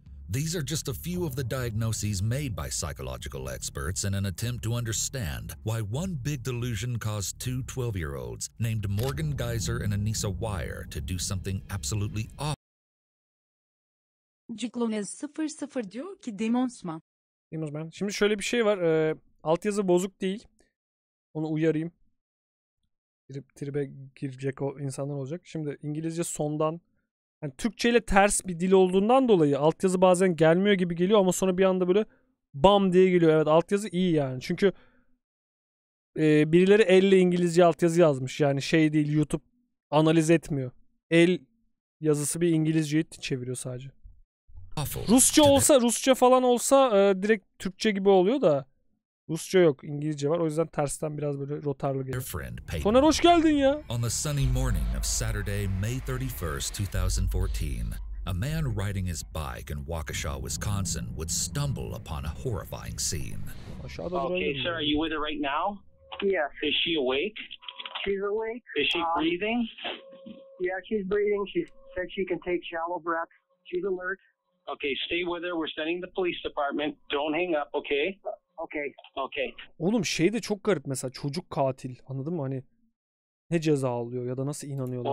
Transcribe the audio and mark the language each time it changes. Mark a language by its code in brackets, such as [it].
[en] These are just a few of the diagnoses made by psychological experts in an attempt to understand why one big delusion caused two 12-year-olds named Morgan Geyser and Anissa Wire to do something absolutely awful. [tr] Ciclones 00 diyor ki Demonsman. Şimdi şöyle bir şey var, altyazı bozuk değil. Onu uyarayım. Tribe girecek o insanlar olacak. Şimdi İngilizce sondan. Yani Türkçe ile ters bir dil olduğundan dolayı altyazı bazen gelmiyor gibi geliyor ama sonra bir anda böyle bam diye geliyor. Evet altyazı iyi yani. Çünkü birileri elle İngilizce altyazı yazmış. Yani şey değil YouTube analiz etmiyor. El yazısı bir İngilizceyi çeviriyor sadece. Rusça olsa Rusça falan olsa direkt Türkçe gibi oluyor da. Rusça yok, İngilizce var. O yüzden tersten biraz böyle rotarlı geliyor. Toner hoş geldin ya. [en] On the sunny morning of Saturday, May 31st, 2014, a man riding his bike in Waukesha, Wisconsin, would stumble upon a horrifying scene. Okay, sir, are you with her right now? Yes. Is she awake? She's awake. Is she breathing? Yeah, she's breathing. She said she can take shallow breaths. She's alert. Okay, stay with her. We're sending the police department. Don't hang up, okay? Okay. [tr] Oğlum şey de çok garip mesela çocuk katil. Anladın mı? Hani ne ceza alıyor ya da nasıl inanıyorlar?